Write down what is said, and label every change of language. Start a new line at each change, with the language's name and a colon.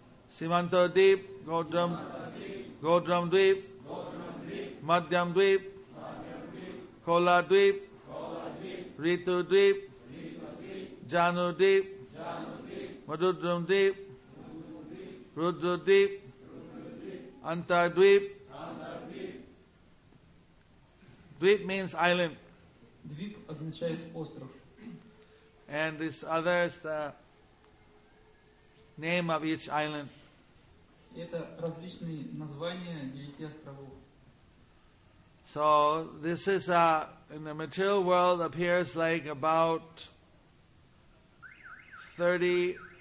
English: Simantadvip, Godramdvip, Madhyamdvip, Koladvip, Ritudvip, Janudvip, Madhudramdvip, Rudradvip, Antardvip. Dvip means island.
Russian: Dvip означает остров.
English: And this other is the name of each island.
Russian: Это различные названия девяти островов.
English: So this is in the material world appears like about 30.